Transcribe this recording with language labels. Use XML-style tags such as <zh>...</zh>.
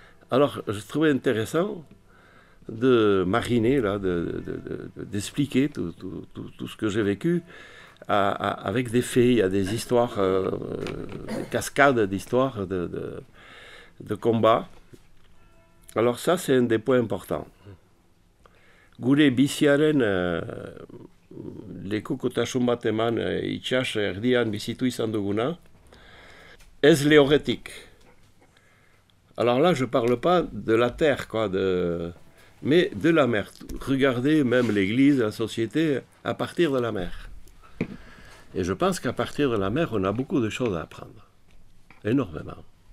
<fr>Alors, je trouvais intéressant de mariner, là, d'expliquer tout ce que j'ai vécu, avec des faits, il y a des histoires, des cascades d'histoires de combats. Alors ça, c'est un des points importants.</fr> <eu>Gure biziaren lekukotasun bat eman itxas erdian bizitu izan duguna, ez lehoretik.</eu> <fr>Alors là, je ne parle pas de la terre, quoi, mais de la mer. Regardez même l'église, la société, à partir de la mer. Et je pense qu'à partir de la mer, on a beaucoup de choses à apprendre. Énormément.</fr>